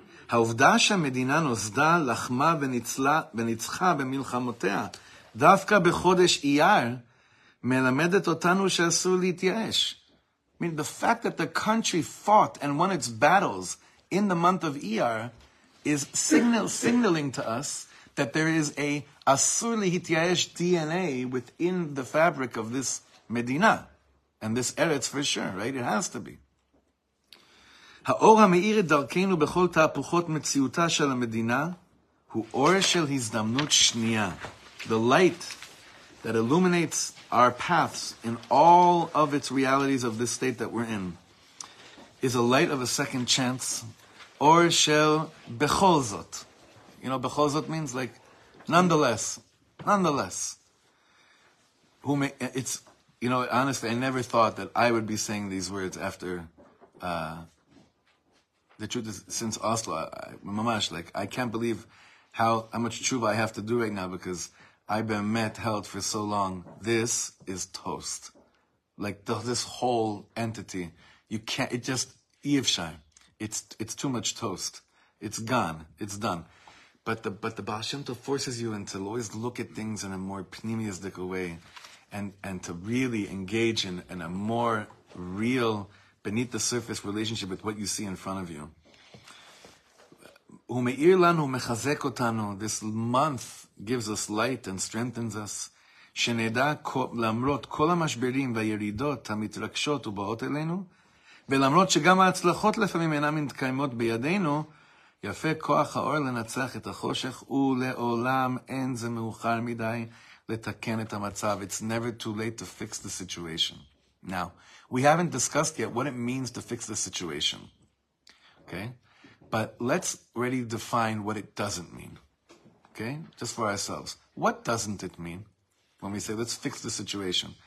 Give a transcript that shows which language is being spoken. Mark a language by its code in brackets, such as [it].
[he] העובדה שהמדינה נוסדה לחמה וניצחה במלחמותיה דווקא בחודש אייר מלמדת אותנו שאסור להתייאש. [en] I mean, the fact that the country fought and won its battles in the month of Iyar is signaling to us that there is a [he] אסור להתייאש [en] DNA within the fabric of this מדינה and this Eretz for sure, right? It has to be. [he] האור המאיר את דרכנו בכל תהפוכות מציאותה של המדינה הוא אור של הזדמנות שנייה. [en] The light that illuminates our paths in all of its realities of this state that we're in is a light of a second chance. [he] אור של בכל זאת. [en] You know, [he] בכל זאת [en] means like, nonetheless. It's, you know, honestly, I never thought that I would be saying these words after... The truth is, since Oslo, I can't believe how much tshuva I have to do right now because I've been met held for so long. This is toast. Like this whole entity, you can't. It just Yivshai. It's too much toast. It's gone. It's done. But the Baal Shem Tov forces you into always look at things in a more pneumistic way, and to really engage in a more real. Beneath the surface relationship with what you see in front of you. [he] ומאיר לנו, מחזק אותנו, [en] this month gives us light and strengthens us, [he] שנדע למרות כל המשברים והירידות המתרגשות ובאות אלינו, ולמרות שגם ההצלחות לפעמים אינן מתקיימות בידינו, יפה כוח האור לנצח את החושך, ולעולם אין זה מאוחר מדי לתקן את המצב. [en] It's never too late to fix the situation. Now, we haven't discussed yet what it means to fix the situation, okay? But let's already define what it doesn't mean, okay? Just for ourselves. What doesn't it mean when we say, let's fix the situation?